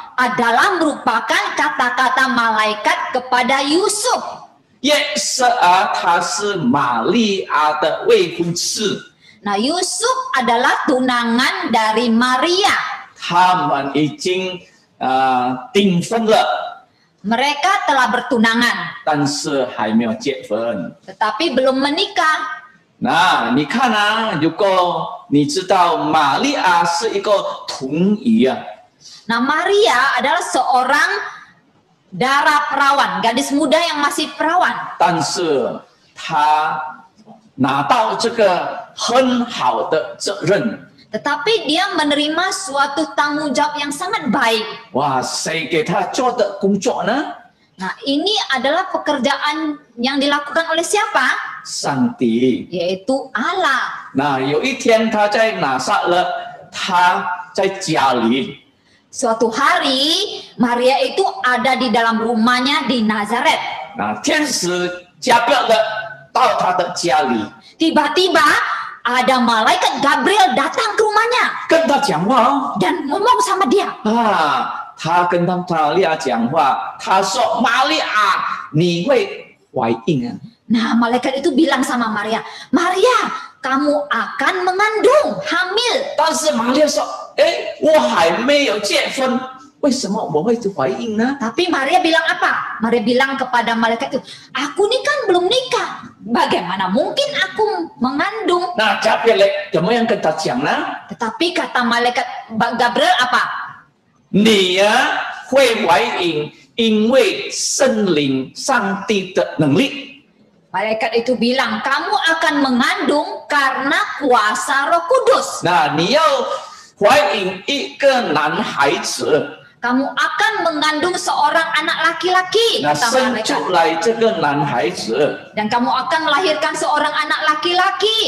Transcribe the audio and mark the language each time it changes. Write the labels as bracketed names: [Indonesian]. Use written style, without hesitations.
[Indonesian] adalah merupakan kata-kata malaikat kepada Yusuf. [Chinese] 约瑟啊,他是玛利亚的未婚妻。 [Indonesian] Nah, Yusuf adalah tunangan dari Maria. [Chinese] 他们已经, 订婚了, [Indonesian] mereka telah bertunangan. [Chinese] 但是还没有结婚, [Indonesian] tetapi belum menikah. [Chinese] Nah, 你看啊, 如果你知道, Maria是一个童女啊, [Indonesian] nah, Maria adalah seorang darah perawan, gadis muda yang masih perawan. [Chinese] 但是她 拿到这个很好的责任， [Indonesian] tetapi dia menerima suatu tanggung jawab yang sangat baik. [Chinese] Wah, 谁给他做的工作呢？ [Indonesian] Nah, ini adalah pekerjaan yang dilakukan oleh siapa? [Chinese] 上帝， [Indonesian] yaitu Allah. [Chinese] Nah, 有一天他在拿撒勒，他在家里。 [Indonesian] Suatu hari Maria itu ada di dalam rumahnya di Nazaret. [Chinese] Nah, 天使加百勒到他的家里。 [Indonesian] Tiba-tiba ada malaikat Gabriel datang ke rumahnya. [Chinese] 跟他讲话。 [Indonesian] Dan ngomong sama dia. [Chinese] 啊，他跟他玛利亚讲话。他说，玛利亚，你会怀孕啊。 [Indonesian] Nah, malaikat itu bilang sama Maria, Maria, kamu akan mengandung, hamil. [Chinese] 但是玛利亚说，哎，我还没有结婚，为什么我会怀孕呢？ [Indonesian] Tapi Maria bilang apa? Maria bilang kepada malaikat itu, aku ini kan belum nikah, bagaimana mungkin aku mengandung? Nah, Gabriel, kamu yang kata siang lah. Tetapi kata malaikat Gabriel apa? [Chinese] 你呀会怀孕，因为圣灵上帝的能力。 [Indonesian] Malaikat itu bilang, kamu akan mengandung karena kuasa Roh Kudus. [Chinese] Nah, 你要怀孕一个男孩子。 [Indonesian] Kamu akan mengandung seorang anak laki-laki. [Chinese] Nah, 生出来这个男孩子。 [Indonesian] Dan kamu akan melahirkan seorang anak laki-laki.